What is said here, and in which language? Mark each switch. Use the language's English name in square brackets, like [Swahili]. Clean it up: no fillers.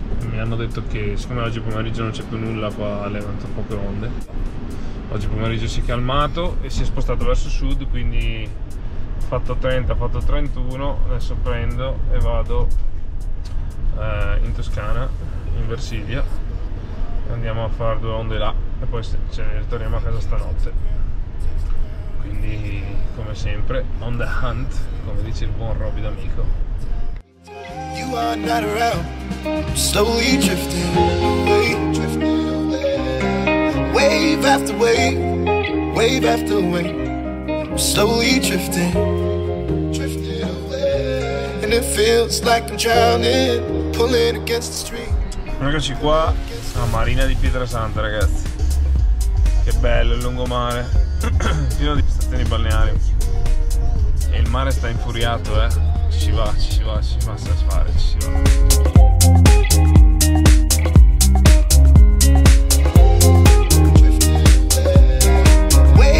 [Italian] mi hanno detto che siccome oggi pomeriggio non c'è più nulla qua a Levanto, poche onde, oggi pomeriggio si è calmato e si è spostato verso sud, quindi fatto 30, fatto 31, adesso prendo e vado in Toscana, in Versilia, e andiamo a fare due onde là e poi ce ne ritorniamo a casa stanotte. Quindi, come sempre, [English] on the hunt, [Italian] come dice il buon Robby D'Amico. [English] You are not around, slowly drifting away, drifting away. Wave after wave, wave after wave, slowly drifting, drifting away. And it feels like I'm drowning, pulling against the stream. [Italian] Eccoci qua a Marina di Pietrasanta, ragazzi. Che bello il lungomare, fino di stazioni balneari. E il mare sta infuriato, eh. Ci si va a fare, ci si va.